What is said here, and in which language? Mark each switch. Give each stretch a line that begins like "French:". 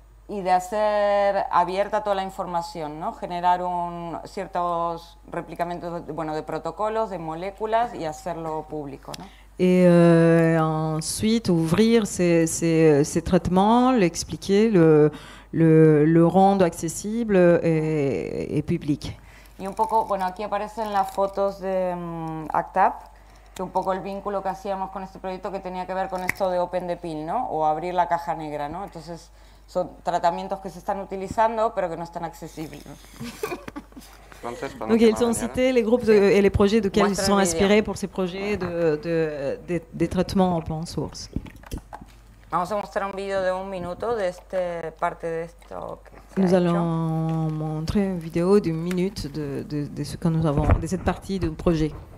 Spanish: Y de hacer abierta toda la información, ¿no? Generar ciertos replicamientos de protocolos, de moléculas y hacerlo público, ¿no?
French: Et ensuite ouvrir ces traitements, l'expliquer, le rendre accessible et public.
Spanish: Y un poco, bueno, aquí aparecen las fotos de ACTAP, que un poco el vínculo que hacíamos con este proyecto que tenía que ver con esto de Open the Pill, ¿no? O abrir la caja negra, ¿no? Entonces son tratamientos que se están utilizando, pero que no están accesibles.
French: Donc, ils ont cité les groupes et les projets de quels ils sont inspirés pour ces projets de traitements open source.
Spanish: Vamos a mostrar un vídeo de un minuto de esta parte de esto. Okay.
French: Nous allons montrer une vidéo d'une minute de ce que nous avons, de cette partie du projet.